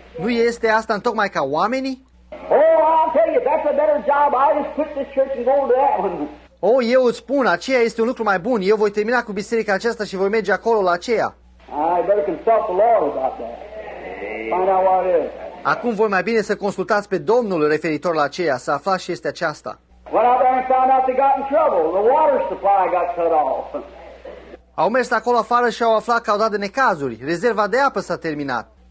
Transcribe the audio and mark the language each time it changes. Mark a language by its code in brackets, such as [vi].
[ro] Nu este asta întocmai ca oamenii? [en] Oh, I'll tell you, that's a better job. I just quit this church and go to that one. [ro] Oh, eu îți spun, aceea este un lucru mai bun. Eu voi termina cu biserica aceasta și voi merge acolo la aceea. [en] I better consult the Lord about that. Find out what it is. [ro] Acum voi mai bine să consultați pe Domnul referitor la aceea, să aflați ce este aceasta. [en] Went out there and found out they got in trouble. The water supply got cut off. [ro] Au mers acolo afară și au aflat că au dat de necazuri. Rezerva de apă s-a terminat.